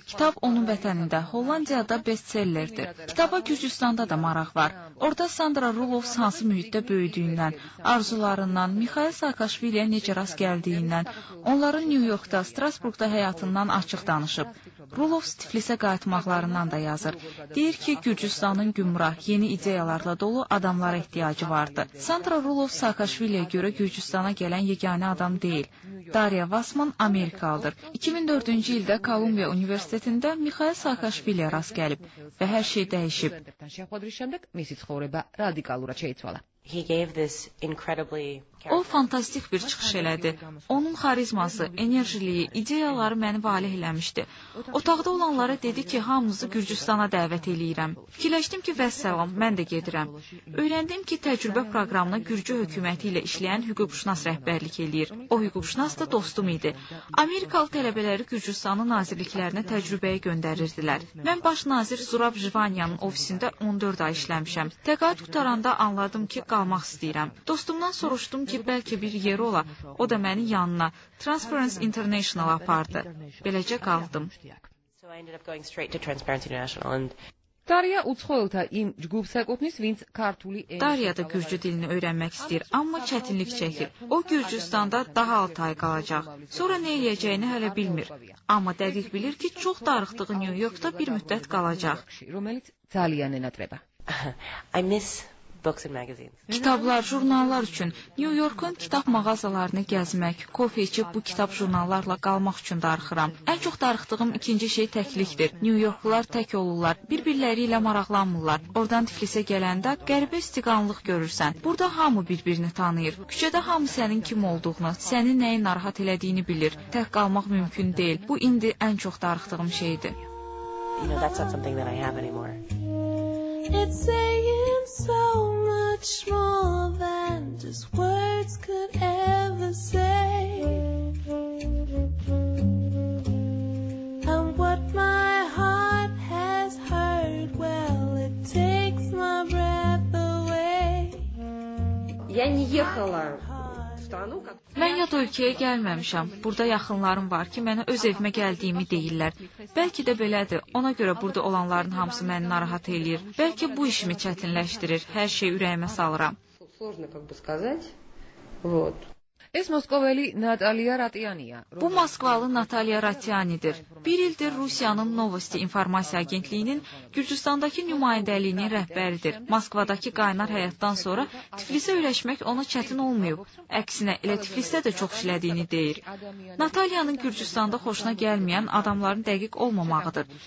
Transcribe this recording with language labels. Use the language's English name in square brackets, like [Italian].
[Azerbaijani] Kitab onun vətənində, Hollandiyada bestsellerdir. Kitaba Gürcüstanda da maraq var. Orada Sandra Rulovs hansı mühitdə böyüdüyündən, arzularından, Mikhail Saakashviliyə necə rast gəldiyindən, onların New Yorkda, Strasburgda həyatından açıq danışıb. Rulovs Tiflisə qayıtmaqlarından da yazır. Deyir ki, Gürcüstanın gümrah, yeni ideyalarla dolu adamlara ehtiyacı vardı. Sandra Rulov Saakashviliyə görə Gürcüstana gələn yeganə adam deyil. Daria Vasman Amerikalıdır. 2004-cü ildə Kolumbiya Universitetində Mikhail Saakashviliyə rast gəlib və hər şey dəyişib. [English] He gave this incredibly [Azerbaijani] O fantastik bir çıxış elədi. Onun xarizması, enerjiliyi, ideyaları məni valeh eləmişdi. Otaqda olanlara dedi ki, hamınızı Gürcüstana dəvət eləyirəm. Fikirləşdim ki, vəssalam, mən də gedirəm. Öyrəndim ki, təcrübə proqramına Gürcü hökuməti ilə işləyən hüquqşünas rəhbərlik eləyir. O hüquqşünas da dostum idi. Amerikalı tələbələri Gürcüstanın nazirliklərinə təcrübəyə göndərirdilər. Mən baş nazir Zurab Jivaniyanın ofisində 14 ay işləmişəm. Təqaüd qutaranda anladım ki, qalmaq istəyirəm. Dostumdan soruşdum ki, bəlkə bir yer ola, o da məni yanına Transparency International apardı. Beləcə qaldım. [English] So I ended up going straight to Transparency International and Darya Uçxoylta im cgubsakotnis vinc kartuli en. [Azerbaijani] Darya da gürcü dilini öyrənmək istəyir, amma çətinlik çəkir. O Gürcüstanda daha 6 ay qalacaq. Sonra nə edəcəyini hələ bilmir. Amma dəqiq bilir ki, çox darıxdığı New Yorkda bir müddət qalacaq. Kitablar, jurnallar üçün, New York'un kitab mağazalarını gəzmək, kofe içib bu kitab jurnallarla qalmaq üçün darıxıram. Ən çox darıxdığım ikinci şey təklikdir. New Yorklular tək olurlar, bir-birləri ilə maraqlanmırlar. Oradan Tiflisə gələndə qəribə istiqanlıq görürsən. Burada hamı bir-birini tanıyır. Küçədə hamı sənin kim olduğunu, səni nəyi narahat elədiyini bilir. Tək qalmaq mümkün deyil. Bu indi ən çox darıxdığım şeydir. [English] It's saying so much more than just words could ever say. And what my heart has heard, well, it takes my breath away. [Russian] Я не ехала. [Azerbaijani] Mən yad ölkəyə gəlməmişəm. Burada yaxınlarım var ki, mənə öz evimə gəldiyimi deyirlər. Bəlkə də belədir. Ona görə burada olanların hamısı məni narahat eləyir. Bəlkə bu işimi çətinləşdirir. Hər şeyi ürəyimə salıram. Bu Moskvalı Natalia Ratyanidir. Bir ildir Rusiyanın Novosti İnformasiya Agentliyinin Gürcüstandakı nümayəndəliyinin rəhbəridir. Moskvadakı qaynar həyatdan sonra Tiflisə öyrəşmək ona çətin olmayıb. Əksinə, elə Tiflisdə də çox işlədiyini deyir. Natalianın Gürcüstanda xoşuna gəlməyən adamların dəqiq olmamağıdır.